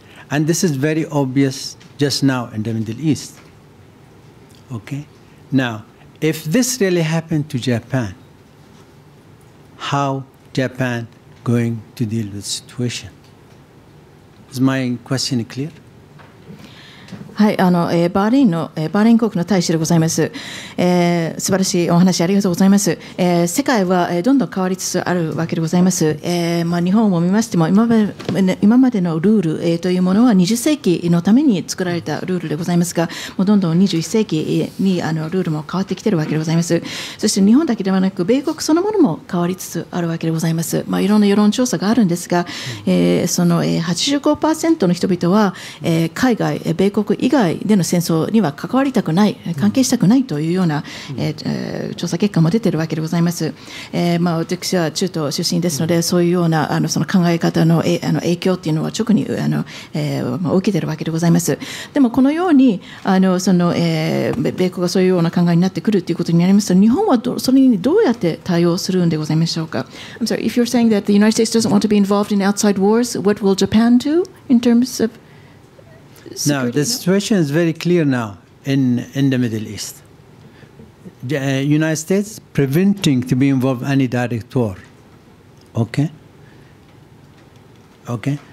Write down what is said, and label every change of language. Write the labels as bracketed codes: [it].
[en] And this is very obvious just now in the Middle East. Okay? Now, if this really happened to Japan, how Japan going to deal with the situation? Is my question clear? [ja] はい、バーリン国の大使でございます。素晴らしいお話ありがとうございます。世界はどんどん変わりつつあるわけでございます。日本を見ましても今までのルールというものは20世紀のために作られたルールでございますが、もうどんどん21世紀にルールも変わってきているわけでございます。そして日本だけではなく米国そのものも変わりつつあるわけでございます。まあ、いろんな世論調査があるんですが、その 85% の人々は海外米国以外での戦争には関わりたくない、関係したくないというような、調査結果も出ているわけでございます。まあ、私は中東出身ですので、そういうようなその考え方 の影響というのは直に受けているわけでございます。でもこのようにその、米国がそういうような考えになってくるということになりますと、日本はそれにどうやって対応するんでございましょうか。 [en] I'm sorry, if you're saying that the United States doesn't want to be involved in outside wars, what will Japan do in terms of Now, the situation is very clear now in the Middle East. The United States preventing to be involved in any direct war. Okay? Okay?